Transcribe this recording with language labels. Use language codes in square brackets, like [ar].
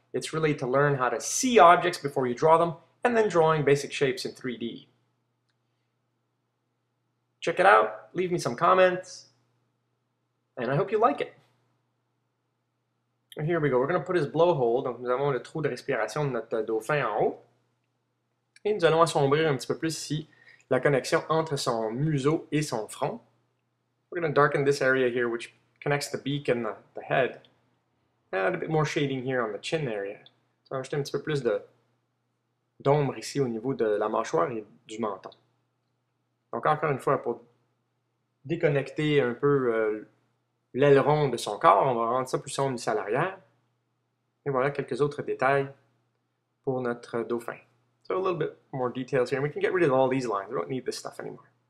[en] It's really to learn how to see objects before you draw them, and then drawing basic shapes in 3D. Check it out, leave me some comments, and I hope you like it. And here we go. We're going to put his blowhole. [fr] Donc, nous avons le trou de respiration de notre dauphin en haut. Et nous allons assombrir un petit peu plus ici la connexion entre son museau et son front. [en] We're going to darken this area here, which connects the beak and the head. Add a bit more shading here on the chin area. [fr] Ça va ajouter un petit peu plus d'ombre ici au niveau de la mâchoire et du menton. Donc encore une fois, pour déconnecter un peu l'aileron de son corps, on va rendre ça plus sombre ici à l'arrière. Et voilà quelques autres détails pour notre dauphin. [en] So a little bit more details here, and we can get rid of all these lines. We don't need this stuff anymore.